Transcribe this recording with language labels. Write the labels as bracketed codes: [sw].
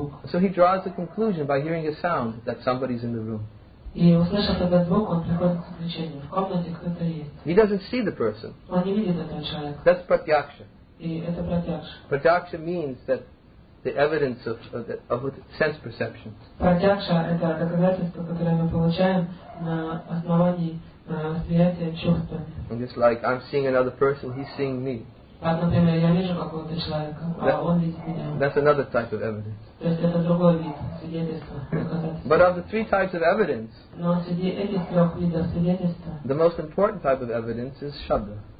[en] So he draws a conclusion by hearing a sound that somebody's in the room. He doesn't see the person. That's pratyaksha. Pratyaksha means that the evidence of the sense perception. [ru] Pratyaksha – это доказательство, которое мы получаем на основании восприятия чувствами. [en] Just like I'm seeing another person, he's seeing me. [ru] Так, например, я вижу какого-то человека, а он видит меня. [en] That's another type of evidence. [ru] То есть это другой вид свидетельства, доказательства. [en] But of the three types of evidence, [ru] но среди этих трех видов свидетельства, [en] the most important type of evidence is shabda.